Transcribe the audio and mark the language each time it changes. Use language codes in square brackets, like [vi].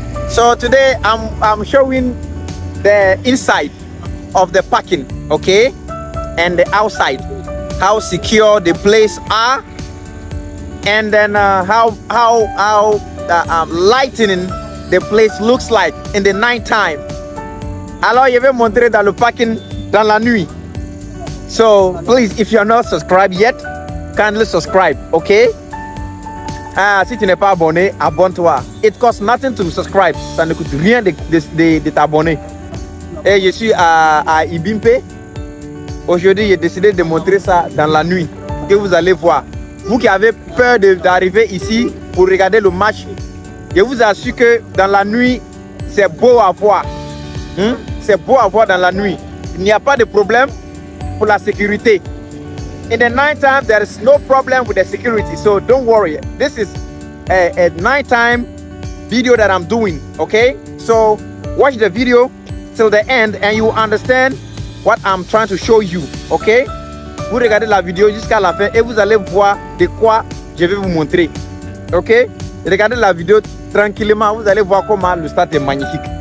[en] So today I'm showing the inside of the parking, okay, and the outside, how secure the place are, and then how lighting the place looks like in the night time. [fr] Alors, je vais montrer dans le parking dans la nuit. [en] So please, if you're not subscribed yet, kindly subscribe, okay? [fr] Si tu n'es pas abonné, abonne-toi. [en] It costs nothing to subscribe. [fr] Ça ne coûte rien de t'abonner. Et je suis à Ebimpé. Aujourd'hui, j'ai décidé de montrer ça dans la nuit. Que vous allez voir. Vous qui avez peur d'arriver ici pour regarder le match, je vous assure que dans la nuit, c'est beau à voir. C'est beau à voir dans la nuit. Il n'y a pas de problème pour la sécurité. [en] In the night time, there is no problem with the security, so don't worry. This is a night time video that I'm doing, okay? So watch the video till the end and you will understand what I'm trying to show you, okay? [fr] Vous regardez la vidéo jusqu'à la fin et vous allez voir de quoi je vais vous montrer, okay? Regardez la vidéo tranquillement, vous allez voir comment le stade est magnifique.